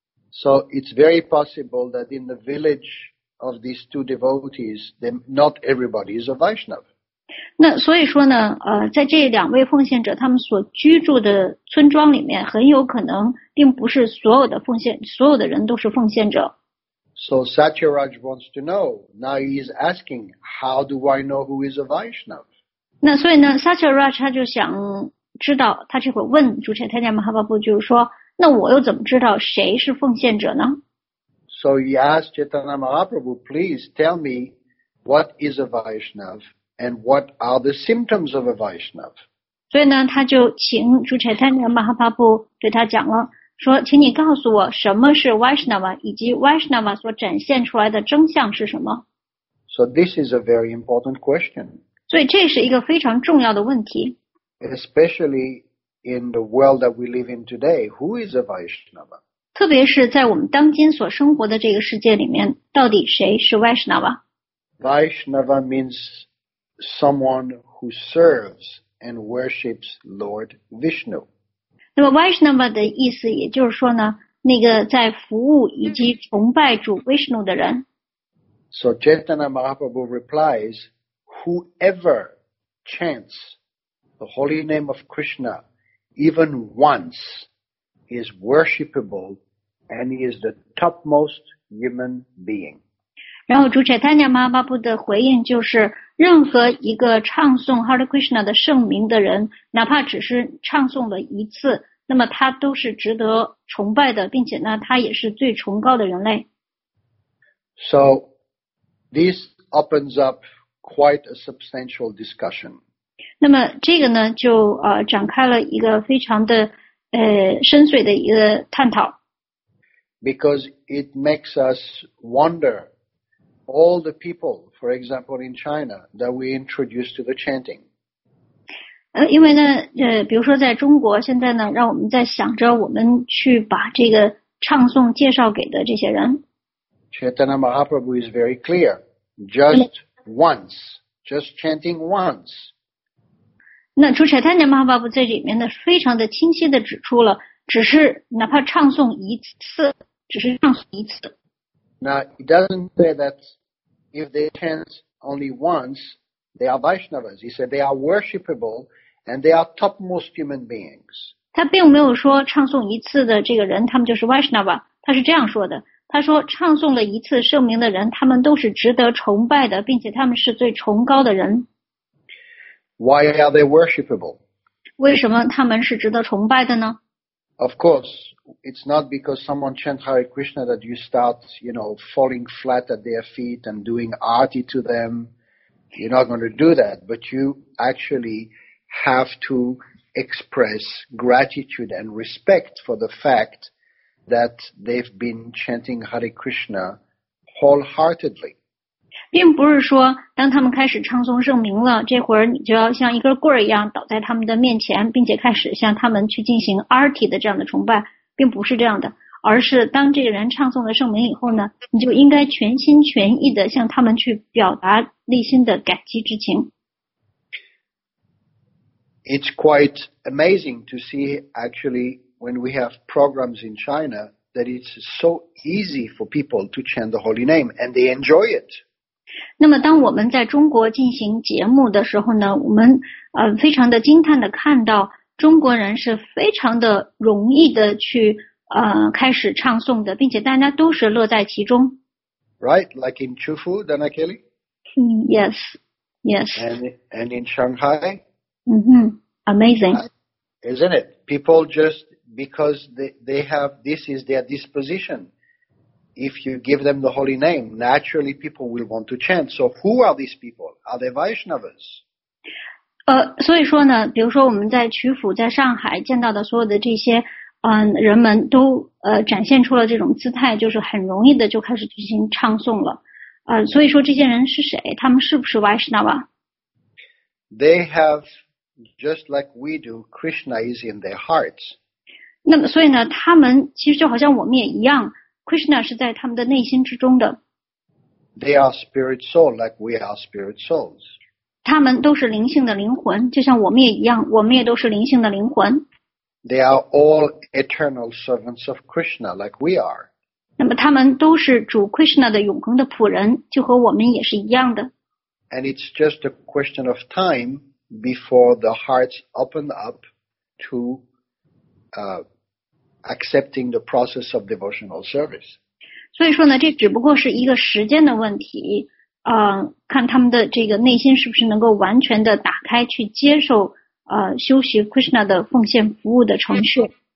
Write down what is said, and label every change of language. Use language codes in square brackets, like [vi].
[en] So it's very possible that in the village of these two devotees, not everybody is a Vaishnava. [zh] 那所以说呢，在这两位奉献者他们所居住的村庄里面，很有可能并不是所有的奉献，所有的人都是奉献者。 [en] So Satyaraj wants to know. Now he is asking, how do I know who is a Vaishnav? [zh] 那所以呢 ，Satyaraj 他就想知道，他这会问主持人泰加马哈巴布，就是说，那我又怎么知道谁是奉献者呢 [en] ？So he asked Chaitanya Mahaprabhu, please tell me what is a Vaishnav. And what are the symptoms of a Vaishnav? [zh] 所以呢，他就请主持人马哈巴布对他讲了，说，请你告诉我什么是 Vaishnava， 以及 Vaishnava 所展现出来的征象是什么。 [en] So this is a very important question. [zh] 所以这是一个非常重要的问题。 [en] Especially in the world that we live in today, who is a Vaishnava? [zh] 特别是在我们当今所生活的这个世界里面，到底谁是 Vaishnava? [en] Vaishnava means someone who serves and worships Lord Vishnu. [zh] 那么 Vaishnava 的意思也就是说呢，那个在服务以及崇拜主 Vishnu 的人。 [en] So Chaitanya Mahaprabhu replies, whoever chants the holy name of Krishna even once is worshipable and he is the topmost human being. [zh] 然后主持人坦加马巴布的回应就是任何一个唱诵 Hare Krishna 的圣名的人哪怕只是唱诵了一次那么他都是值得崇拜的并且呢他也是最崇高的人类。 [en] So, this opens up quite a substantial discussion. [zh] 那么这个呢就展开了一个非常的深邃的一个探讨。 [en] Because it makes us wonder,All the people, for example, in China, that we introduced to the chanting. [zh] 因为呢，比如说在中国，现在呢，让我们在想着我们去把这个唱诵介绍给的这些人。 [en] Chaitanya Mahaprabhu is very clear. Just once, just chanting once. [zh] 那主持人 Chaitanya Mahaprabhu 在里面呢，非常的清晰的指出了，只是哪怕唱诵一次，只是唱诵一次。 [en] Now, he doesn't say that if they chant only once, they are Vaishnavas. He said they are worshipable and they are topmost human beings. [zh] 他并没有说唱诵一次的这个人他们就是 Vaishnava. 他是这样说的。他说唱诵了一次圣名的人他们都是值得崇拜的并且他们是最崇高的人。 [en] Why are they worshipable? [zh] 为什么他们是值得崇拜的呢？ [en] Of course, it's not because someone chants Hare Krishna that you start, you know, falling flat at their feet and doing aarti to them. You're not going to do that, but you actually have to express gratitude and respect for the fact that they've been chanting Hare Krishna wholeheartedly. [zh] 并不是说当他们开始唱诵圣名了，这会儿你就要像一根棍儿一样倒在他们的面前，并且开始向他们去进行 aarti 的这样的崇拜，并不是这样的，而是当这个人唱诵了圣名以后呢，你就应该全心全意的向他们去表达内心的感激之情。 [en] It's quite amazing to see actually when we have programs in China that it's so easy for people to chant the holy name and they enjoy it. [zh] 那么当我们在中国进行节目的时候呢我们非常的惊叹的看到中国人是非常的容易的去开始唱诵的并且大家都是乐在其中。 [en] Right, like in Chufu, Dana Kelly? Yes, yes. And in Shanghai? Mm-hmm, amazing. Isn't it? People just, because they have, this is their disposition. If you give them the holy name, naturally people will want to chant. So who are these people? Are they Vaishnavas? [zh] 所以说呢，比如说我们在曲阜、在上海见到的所有的这些，人们都展现出了这种姿态，就是很容易的就开始进行唱诵了。所以说这些人是谁？他们是不是 Vaishnava? [en] They have, just like we do, Krishna is in their hearts. [zh] 那么所以呢，他们其实就好像我们也一样。 Krishna 是在他们的内心之中的。 [en] They are spirit soul like we are spirit souls. [zh] 他们都是灵性的灵魂，就像我们也一样，我们也都是灵性的灵魂。 [en] They are all eternal servants of Krishna like we are. [zh] 那么他们都是主 Krishna 的永恒的仆人，就和我们也是一样的。 [en] And it's just a question of time before the hearts open up to accepting the process of devotional service. [zh] 所以说呢，这只不过是一个时间的问题，看他们的这个内心是不是能够完全的打开去接受修习 Krishna 的奉献服务的程序。